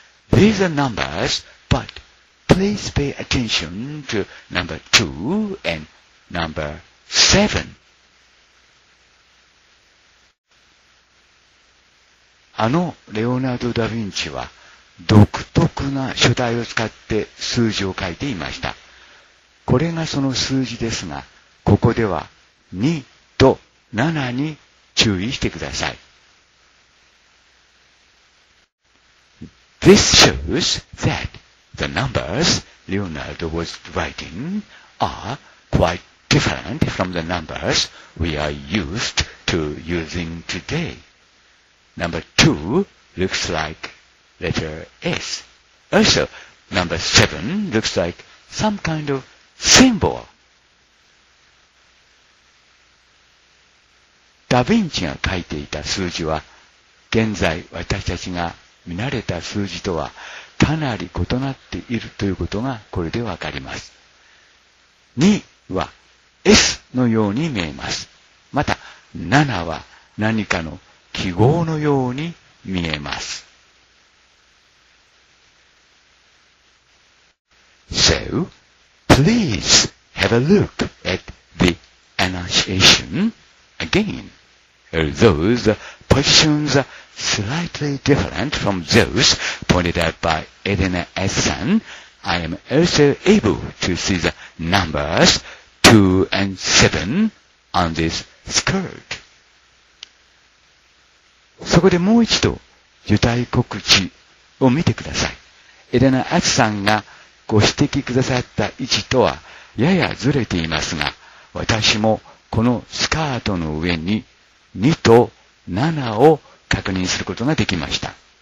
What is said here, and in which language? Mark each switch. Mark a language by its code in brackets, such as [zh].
[en] These are numbers, but please pay attention to number 2 and number 7. [ja] あのレオナルド・ダ・ヴィンチは独特な書体を使って数字を書いていました。これがその数字ですが、ここでは2と7に注意してください。 [en] This shows that the numbers Leonardo was writing are quite different from the numbers we are used to using today. Number 2 looks like letter S. Also, number 7 looks like some kind of symbol. [ja] ダ・ヴィンチが書いていた数字は現在私たちが見慣れた数字とはかなり異なっているということがこれでわかります。 2は S のように見えます。また7は何かの記号のように見えます。 [en] So, please have a look at the annunciation again. Although the positions areslightly different from those pointed out by Elena Etsen, I am also able to see the numbers 2 and 7 on this skirt. [ja] そこでもう一度、受胎告知を見てください。 Elena Etsenがご指摘くださった位置とはややずれていますが、私もこのスカートの上に2と7を確認することができました。